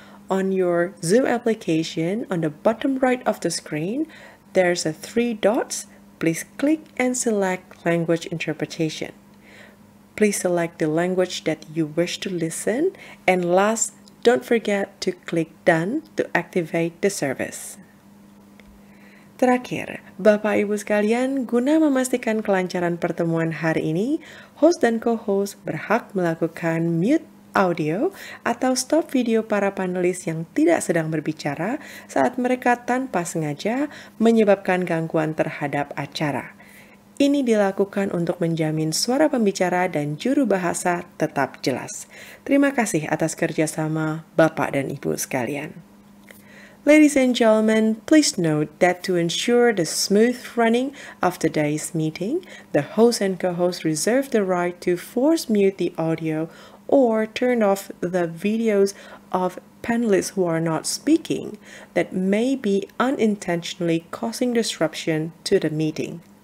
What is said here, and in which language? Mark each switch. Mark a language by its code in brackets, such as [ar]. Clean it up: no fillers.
[en] On your Zoom application, on the bottom right of the screen, there's a 3 dots. Please click and select language interpretation. Please select the language that you wish to listen. And last, don't forget to click done to activate the service. [id] Terakhir, Bapak Ibu sekalian, guna memastikan kelancaran pertemuan hari ini, host dan co-host berhak melakukan mute audio atau stop video para panelis yang tidak sedang berbicara saat mereka tanpa sengaja menyebabkan gangguan terhadap acara. Ini dilakukan untuk menjamin suara pembicara dan juru bahasa tetap jelas. Terima kasih atas kerjasama Bapak dan Ibu sekalian. [en] Ladies and gentlemen, please note that to ensure the smooth running of today's meeting, the host and co-host reserve the right to force mute the audio or turn off the videos of panelists who are not speaking that may be unintentionally causing disruption to the meeting.